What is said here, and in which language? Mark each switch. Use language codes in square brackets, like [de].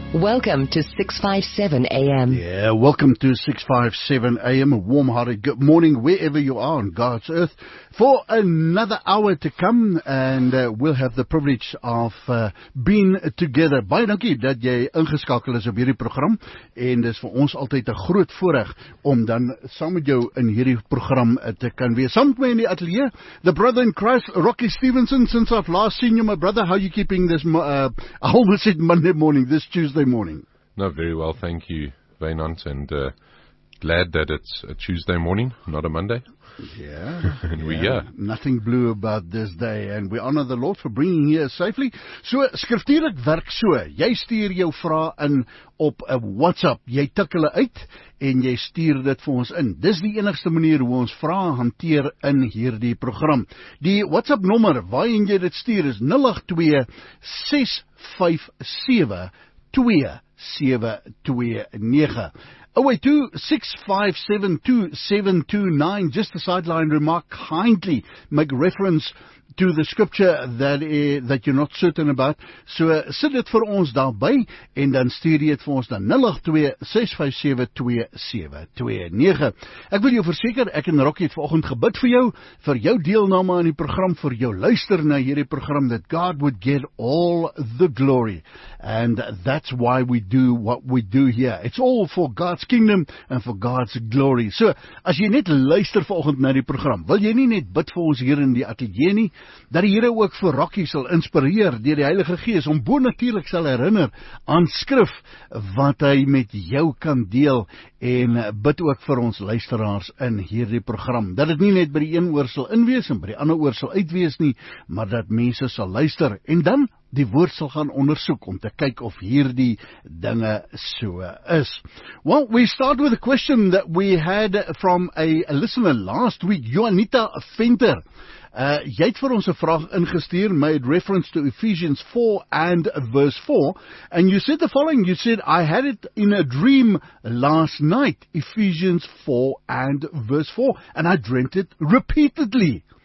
[en] Welcome to 657 AM. Yeah, welcome to 657 AM. A warm-hearted good morning wherever you are on God's earth. For another hour to come, and we'll have the privilege of being together. [af] Baie dankie dat jy ingeskakel is op hierdie program. En dis vir ons altyd 'n groot voorreg om dan saam met jou in hierdie program te kan wees. Saam met my in die atelier, [en] the brother in Christ, Rocky Stevenson, since I've last seen you, my brother, how you keeping this, I almost said Monday morning, this Tuesday morning. No, very well, thank you, Vaynant, and glad that it's a Tuesday morning, not a Monday. Yeah. And yeah, we are. Nothing blue about this day, and we honor the Lord for bringing here safely. [af] So, skriftuurlik werk so, jy stuur jou vraag in op WhatsApp, jy tik hulle uit, en jy stuur dit vir ons in. Dis die enigste manier hoe ons vrae hanteer in hierdie program. Die WhatsApp nommer waarin jy dit stuur is 082-657-2729. [en] Away to 657-2729, just a sideline remark, kindly make reference to the scripture that that you're not certain about. [af] So sit dit vir ons daarby en dan stuur jy dit vir ons dan 082-657-2729. Ek wil jou verseker, ek en Rocky het vanoggend gebid vir jou deelname aan die program, vir jou luister na hierdie program, [en] that God would get all the glory. And that's why we do what we do here. It's all for God's kingdom and for God's glory. [af] So, as jy net luister vanoggend na die program, wil jy nie net bid vir ons hier in die atelier nie, dat die Here ook vir Rocky sal inspireer deur die Heilige Gees om bonatuurlik sal herinner aan skrif wat hy met jou kan deel, en bid ook vir ons luisteraars in hierdie program, dat het nie net by die een oor sal inwees en by die ander oor sal uitwees nie, maar dat mense sal luister en dan die woord sal gaan ondersoek om te kyk of hierdie dinge so is. [en] Well, we start with a question that we had from a listener last week, Joanita Venter. [af] Jy het vir ons 'n vraag ingestuur, [en] made reference to Ephesians 4 and verse 4, and you said the following, you said, I had it in a dream last night, Ephesians 4 and verse 4, and I dreamt it repeatedly.